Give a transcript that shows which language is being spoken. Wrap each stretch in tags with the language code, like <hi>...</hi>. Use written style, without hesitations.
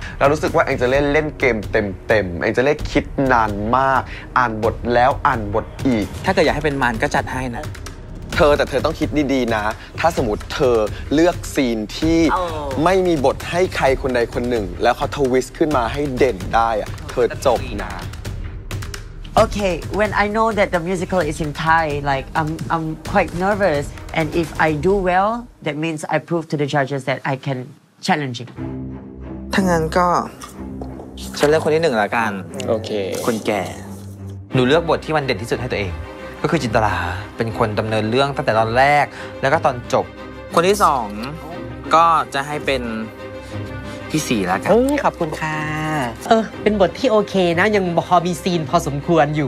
<th>เรารู้สึกว่าแองเจเล่เล่นเกมเต็มๆแองเจเล่คิดนานมากอ่านบทแล้วอ่านบทอีก ถ้าเกิดอยากให้เป็นมันก็จัดให้นะ เธอแต่เธอต้องคิดดีๆนะถ้าสมมติเธอเลือกซีนที่ ไม่มีบทให้ใครคนใดคนหนึ่งแล้วเขาทวิสต์ขึ้นมาให้เด่นได้อ่ะเธอจบนะ</th> <en>โอเค when I know that the musical is in Thai like I'm quite nervous and if I do well that means I prove to the judges that I can challenge it</en> <th>ถ้างั้นก็ฉันเลือกคนที่หนึ่งละกัน โอเค คนแก่หนูเลือกบทที่มันเด่นที่สุดให้ตัวเองก็คือจินตลาเป็นคนดำเนินเรื่องตั้งแต่ตอนแรกแล้วก็ตอนจบ คนที่สองก็จะให้เป็นพี่สี่แล้วครับ ขอบคุณค่ะเออเป็นบทที่โอเคนะยังพอมีซีนพอสมควรอยู</th>